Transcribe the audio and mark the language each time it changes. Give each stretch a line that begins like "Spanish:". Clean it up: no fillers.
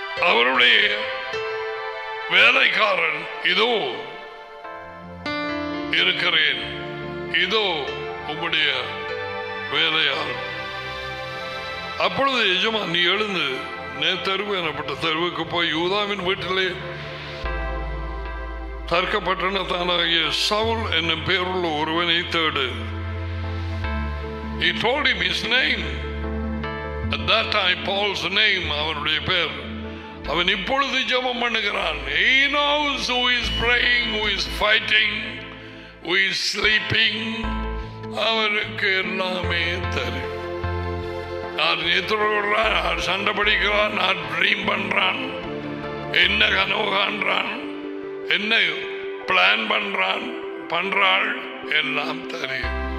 Tamil: அவருடைய வேலைக்காரன் இதோ இருக்கிறேன், இதோ உம்முடைய வேலையாளர். அப்பொழுது எஜமான், நீ எழுந்து நேத்தருவு எனப்பட்ட தெருவுக்கு போய் யூதாவின் வீட்டிலே தர்க்க பட்டணத்தானாகிய சவுல் என்னும் பேருள்ள ஒருவனை தேடு.
English: He told him his name. At that time, Paul's name,
Tamil: அவனுடைய பேர். அவன் இப்பொழுது ஜெபம் பண்ணுகிறான்.
English: He knows who is praying, who is fighting, who is sleeping.
Tamil: அவருக்கு எல்லாமே தெரியும். நான் நித்திரான், நான் சண்டை படிக்கிறான், நான் ட்ரீம் பண்றான், என்ன கனவு காண்றான், என்ன பிளான் பண்றான், பண்றாள், எல்லாம் தெரியும்.